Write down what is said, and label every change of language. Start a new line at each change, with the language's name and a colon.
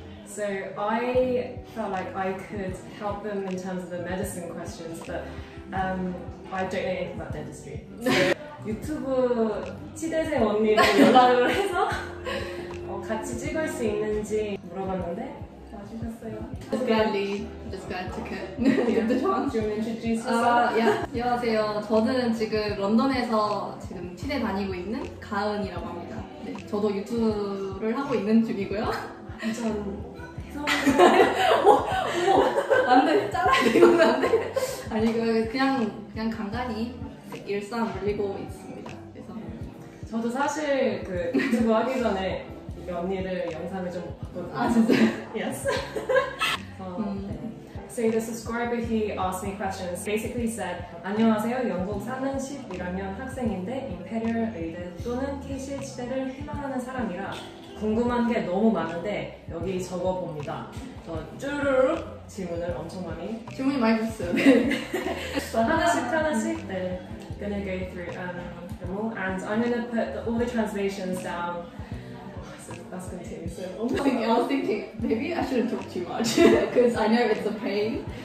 English: So I felt like I could help them in terms of the medicine questions, but I don't know anything about dentistry.
Korean: So 유튜브 치대생 언니랑 연락을 해서 같이 찍을 수 있는지 물어봤는데 안녕하세요. 저는 지금 런던에서 지금 치대 다니고 있는 가은이라고 합니다. 네, 저도 유튜브를 하고 있는 중이고요. 전 안돼, 잘라야 되는 건 안돼. 아니 그냥 간간히 일상 올리고 있습니다. 그래서 저도 사실 그 유튜브 하기 전에 언니를 영상을 좀 봤거든요. 아 진짜?
English: Yes. So the subscriber he asked me questions basically said
Korean: 안녕하세요 영국 사는 11학년 학생인데 임페리얼 의대 또는 KCH대를 희망하는 사람이라 궁금한 게 너무 많은데 여기 적어봅니다. 저 쭈루룩 질문을 엄청 많이 질문이 많이 됐어요. 하나씩 하나씩 네.
English: Gonna go through them all and I'm gonna put all the translations down. That's going to take me so long. I was thinking, maybe I shouldn't talk too much because I know it's a pain.